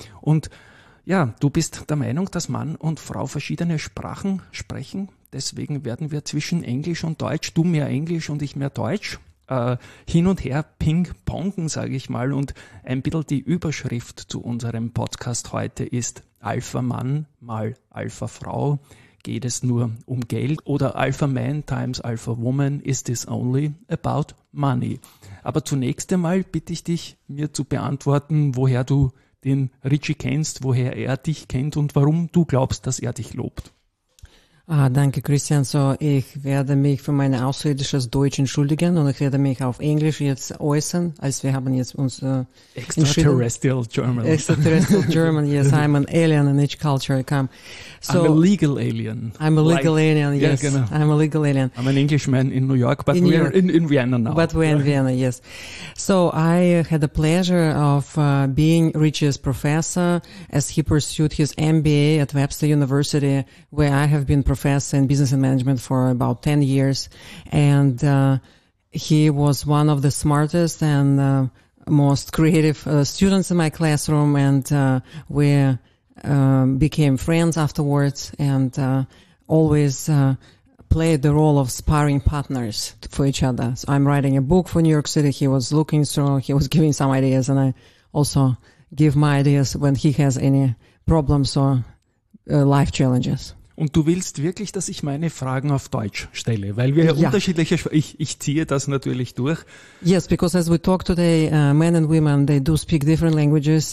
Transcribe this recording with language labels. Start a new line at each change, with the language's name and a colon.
German: Und ja, du bist der Meinung, dass Mann und Frau verschiedene Sprachen sprechen. Deswegen werden wir zwischen Englisch und Deutsch, du mehr Englisch und ich mehr Deutsch, hin und her ping-ponken, sage ich mal. Und ein bisschen die Überschrift zu unserem Podcast heute ist Alpha Mann mal Alpha Frau. Geht es nur um Geld?
English: Oder Alpha Man times Alpha Woman, is this only about money?
German: Aber zunächst einmal bitte ich dich, mir zu beantworten, woher du den Richie kennst, woher er dich kennt und warum du glaubst, dass er dich lobt. Ah, danke, Christian. So, ich werde mich für meine Ausrede als Deutsch entschuldigen und ich werde mich auf Englisch jetzt äußern, als wir haben jetzt uns
English: Extraterrestrial German. Extraterrestrial German, yes, I'm an alien in each culture I come. So, I'm a legal alien. I'm a legal alien, yes. Yeah, genau. I'm a legal alien. I'm an Englishman in New York, but in we're York. In Vienna now. But we're in Vienna, yes. So, I had the pleasure of being Richie's professor as he pursued his MBA at Webster University, where I have been professor in business and management for about 10 years, and he was one of the smartest and most creative students in my classroom, and we became friends afterwards and always played the role of sparring partners for each other. So I'm writing a book for New York City, he was looking through, he was giving some ideas, and I also give my ideas when he has any problems or life challenges.
German: Und du willst wirklich, dass ich meine Fragen auf Deutsch stelle, weil wir ja unterschiedliche ich ziehe das natürlich durch.
English: Yes, because as we talk today, men and women, they do speak different languages.